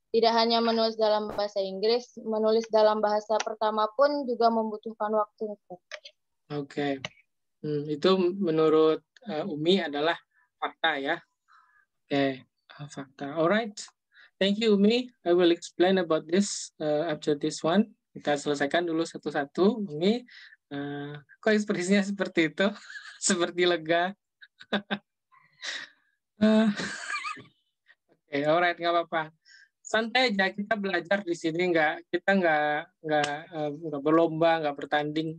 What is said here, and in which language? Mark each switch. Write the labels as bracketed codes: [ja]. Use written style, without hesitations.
[id] Tidak hanya menulis dalam bahasa Inggris, menulis dalam bahasa pertama pun juga membutuhkan waktu. Oke. Itu menurut Umi adalah fakta ya. [en] Oke, fakta. Alright. Thank you, Umi. I will explain about this after this one. [id] Kita selesaikan dulu satu-satu, Umi. Kok ekspresinya seperti itu? Seperti lega. Oke, okay, alright, nggak apa-apa. Santai aja, kita belajar di sini, nggak berlomba, nggak bertanding.